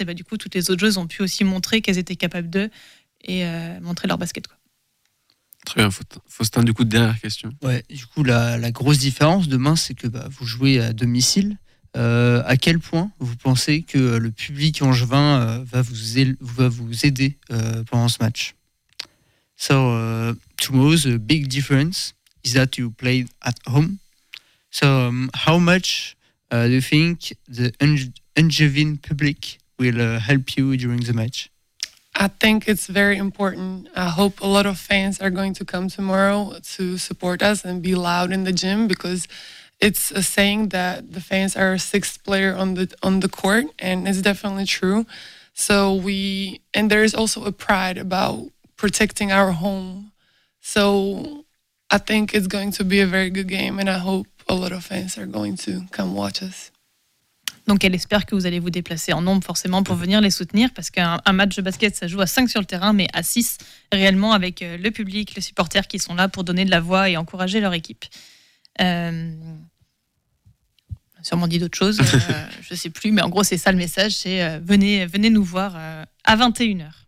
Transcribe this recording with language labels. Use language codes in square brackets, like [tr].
[fr] Et bah, du coup, toutes les autres joueuses ont pu aussi montrer qu'elles étaient capables d'eux et montrer leur basket, quoi. Très bien, Faustin, du coup, dernière question. Ouais, du coup, la grosse différence demain, c'est que bah, vous jouez à domicile. À quel point vous pensez que le public angevin va vous aider pendant ce match? [en] So, tomorrow's a big difference is that you played at home. So, how much do you think the Angevin public will help you during the match? I think it's very important. I hope a lot of fans are going to come tomorrow to support us and be loud in the gym, because it's a saying that the fans are a sixth player on the court, and it's definitely true. So and there is also a pride about protecting our home. So I think it's going to be a very good game, and I hope a lot of fans are going to come watch us. [fr] Donc elle espère que vous allez vous déplacer en nombre forcément pour venir les soutenir, parce qu'un match de basket, ça joue à 5 sur le terrain, mais à 6 réellement, avec le public, les supporters qui sont là pour donner de la voix et encourager leur équipe. Sûrement dit d'autres choses, je sais plus, mais en gros c'est ça le message, c'est venez nous voir à 21h.